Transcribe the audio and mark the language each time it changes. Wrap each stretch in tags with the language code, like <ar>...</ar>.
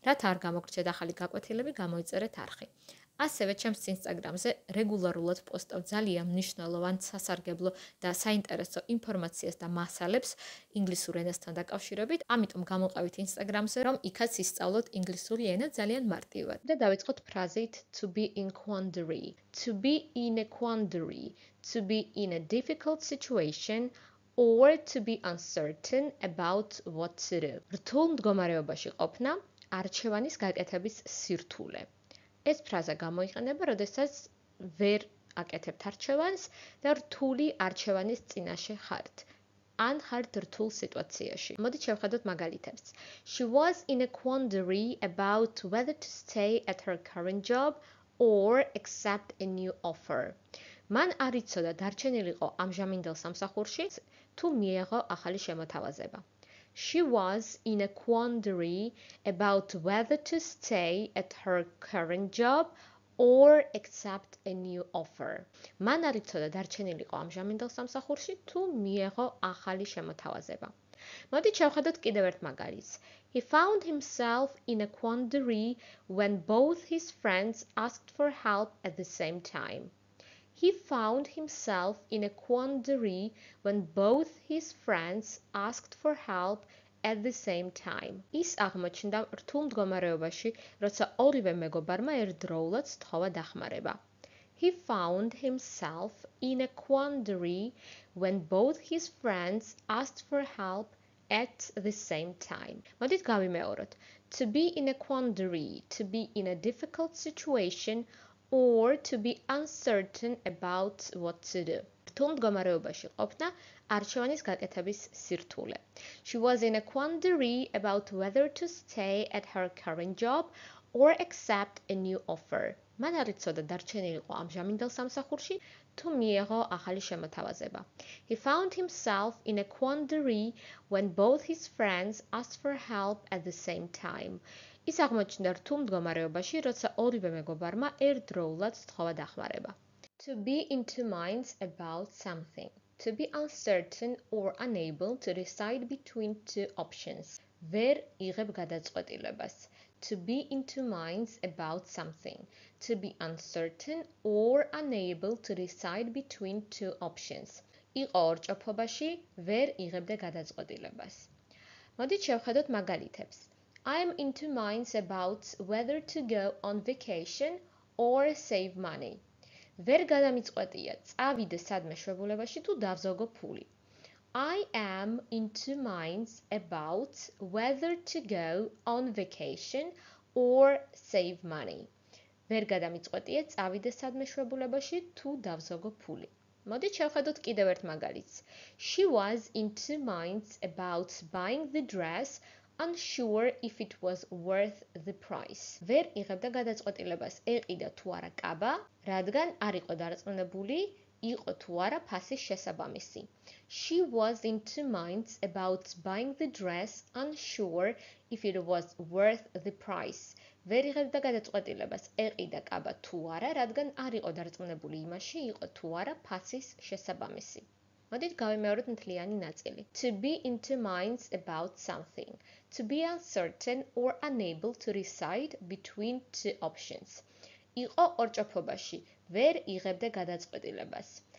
<ka>რათა არ გამოგრჩეთ ახალი გაკვეთილები, გამოიწერეთ არხი. ასევე ჩემს Instagram-ზე რეგულარულად პოსტავ ძალიან მნიშვნელოვან სასარგებლო და საინტერესო ინფორმაციას და მასალებს ინგლისურ ენასთან დაკავშირებით. ამიტომ გამოყავით Instagram-ზე, რომ იქაც ისწავლოთ ინგლისური ენა ძალიან მარტივად. და დავიწყოთ ფრაზით</ka> <en>to be in quandary. To be in a quandary, to be in a difficult situation or to be uncertain about what to do.</en> <ka>რთულ მდგომარეობაში ყოფნა, არჩევანის გაკეთების სირთულე. ეს ფრაზა გამოიყენება, როდესაც ვერ აკეთებთ არჩევანს და რთული არჩევანის წინაშე ხართ. ან ხართ რთულ სიტუაციაში. მოდით შევხედოთ მაგალითებს.</ka> <en>She was in a quandary about whether to stay at her current job or accept a new offer.</en> <ka>მან არ იცოდა დარჩენილიყო ამჟამინდელ სამსახურში თუ მიეღო ახალი შემოთავაზება.</ka> <en>She was in a quandary about whether to stay at her current job or accept a new offer.</en> <ka>მან არ იცოდა დარჩენილიყო ამჟამინდელ სამსახურში თუ მიეღო ახალი შემოთავაზება. მოდით შევხედოთ კიდევ ერთ მაგალითს.</ka> <en>He found himself in a quandary when both his friends asked for help at the same time. He found himself in a quandary when both his friends asked for help at the same time.</en> <ka>ის აღმოჩნდა რთულ მდგომარეობაში, როცა ორივე მეგობარმა ერთდროულად სთხოვა დახმარება.</ka> <en>He found himself in a quandary when both his friends asked for help at the same time.</en> <ka>მოდით გავიმეოროთ.</ka> <en>To be in a quandary, to be in a difficult situation or to be uncertain about what to do.</en> <ka>რთულ მდგომარეობაში ყოფნა, არჩევანის გაკეთების სირთულე.</ka> <en>She was in a quandary about whether to stay at her current job or accept a new offer.</en> <ka>მან არ იცოდა დარჩენილიყო ამჟამინდელ სამსახურში თუ მიეღო ახალი შემოთავაზება.</ka> <en>He found himself in a quandary when both his friends asked for help at the same time.</en> <ka>ის აღმოჩნდა რთულ მდგომარეობაში, როცა ორივე მეგობარმა ერთდროულად სთხოვა დახმარება.</ka> <en>To be in two minds about something. To be uncertain or unable to decide between two options.</en> <ka>ვერ იღებ გადაწყვეტილებას.</ka> <en>To be in two minds about something. To be uncertain or unable to decide between two options.</en> <ka>იყო ორ ჭოფობაში, ვერ იღებდა გადაწყვეტილებას. მოდით შევხედოთ მაგალითებს.</ka> <en>I am in two minds about whether to go on vacation or save money.</en> <ka>ვერ გადამიწყვეტია, წავიდე სადმე შვებულებაში თუ დავზოგო ფული.</ka> <en>I am in two minds about whether to go on vacation or save money.</en> <ka>ვერ გადამიწყვეტია, წავიდე სადმე შვებულებაში თუ დავზოგო ფული. მოდით შევხედოთ კიდევ ერთ მაგალითს.</ka> <en>She was in two minds about buying the dress, unsure if it was worth the price.</en> <ka>ვერ იღებდა გადაწყვეტილებას, ეყიდა თუ არა კაბა, რადგან არ იყო დარწმუნებული, იყო თუ არა ფასის შესაბამისი.</ka> <en>She was in two minds about buying the dress, unsure if it was worth the price.</en> <ka>ვერ იღებდა გადაწყვეტილებას, ეყიდა კაბა თუ არა, რადგან არ იყო დარწმუნებული იმაში, იყო თუ არა ფასის შესაბამისი. მოდით გავიმეოროთ მთლიანი ნაწილი.</ka> <en>To be in two minds about something. To be uncertain or unable to decide between two options.</en> <ka>იყო ორ ჭოფობაში, ვერ იღებდა გადაწყვეტილებას.</ka>